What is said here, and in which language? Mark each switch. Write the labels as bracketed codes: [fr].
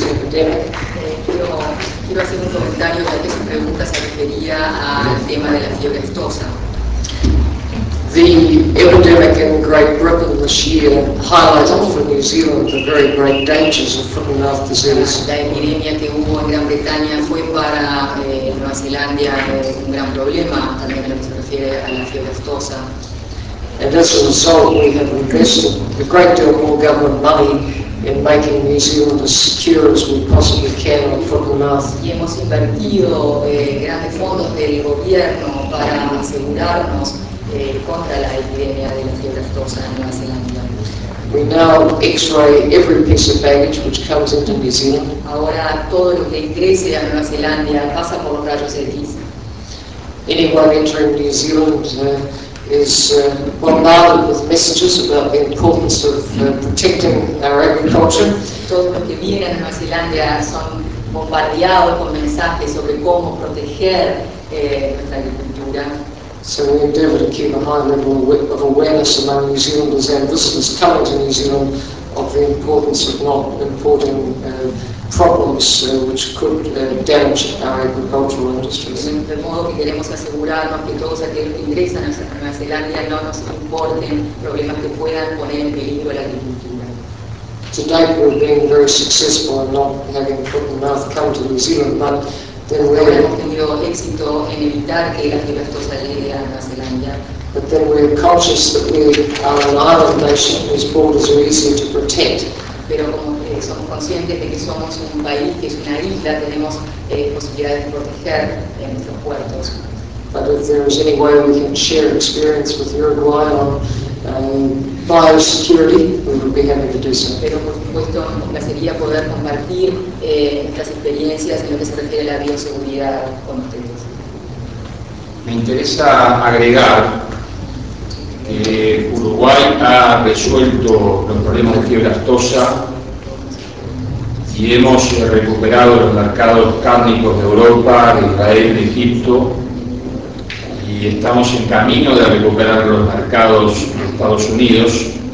[es] Quiero hacer un comentario, ya que su pregunta se refería al tema de la fiebre aftosa. [en] The epidemic in Great Britain this year highlighted for New Zealand the very great dangers of foot and mouth disease. [es] La epidemia que hubo en Gran Bretaña fue para Nueva Zelanda un gran problema, también en lo que se refiere a la fiebre aftosa. [en] And as a result, we have invested a great deal more government money in making New Zealand as secure as we possibly can on foot and mouth. [es] Y hemos invertido grandes fondos del gobierno para asegurarnos contra la epidemia de la fiebre aftosa en Nueva Zelanda. [en] We now X-ray every piece of baggage which comes into New Zealand. [es] Ahora todo lo que ingrese a Nueva Zelanda pasa por los rayos X. [en] Anyone entering New Zealand is bombarded with messages about the importance of protecting our agriculture. [es] Todos los que vienen a Nueva Zelanda son bombardeados con mensajes sobre cómo proteger nuestra agricultura. [en] So we endeavour to keep a high level of awareness among New Zealanders and visitors coming to New Zealand of the importance of not importing problems which could damage our agricultural industries. [es] De modo que queremos asegurarnos que todos aquellos que ingresan a Nueva Zelanda no nos importen problemas que puedan poner en peligro la agricultura. [en] To date, we've been very successful in not having foot and mouth come to New Zealand, but then we [es] have tenido éxito en evitar que la fiebre aftosa llegue a Nueva Zelanda. [en] But then we're conscious that we are an island nation whose borders are easy to protect. [es] Pero como somos conscientes de que somos un país que es una isla, tenemos posibilidades de proteger nuestros puertos. [en] But if there is any way we can share experience with Uruguay on biosecurity, we would be happy to do so. [es] Pero por supuesto, nos gustaría poder compartir estas experiencias en lo que se refiere a la bioseguridad con ustedes. Me interesa agregar que Uruguay ha resuelto los problemas de fiebre aftosa y hemos recuperado los mercados cárnicos de Europa, de Israel, de Egipto, y estamos en camino de recuperar los mercados de Estados Unidos,